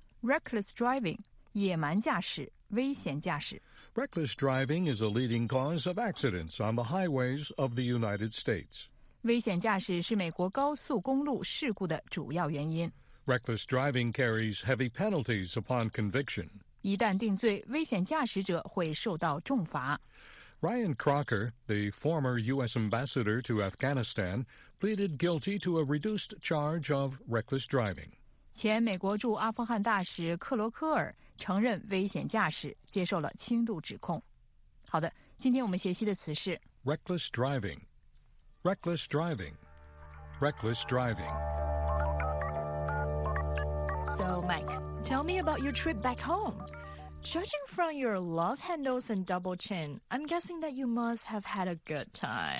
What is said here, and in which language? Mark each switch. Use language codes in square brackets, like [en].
[en] Reckless driving, [zh] 野蛮驾驶,危险驾驶。 [en] Reckless driving is a leading cause of accidents on the highways of the United States. [zh] 危险驾驶是美国高速公路事故的主要原因。 [en] Reckless driving carries heavy penalties upon conviction. [zh] 一旦定罪,危险驾驶者会受到重罚。 [en] Ryan Crocker, the former U.S. ambassador to Afghanistan, pleaded guilty to a reduced charge of reckless driving. [zh] 前美国驻阿富汗大使克罗科尔承认危险驾驶，接受了轻度指控。好的，今天我们学习的词是 [en] reckless driving, reckless driving, reckless driving. So, Mike, tell me about your trip back home. Judging from your love handles and double chin, I'm guessing that you must have had a good time.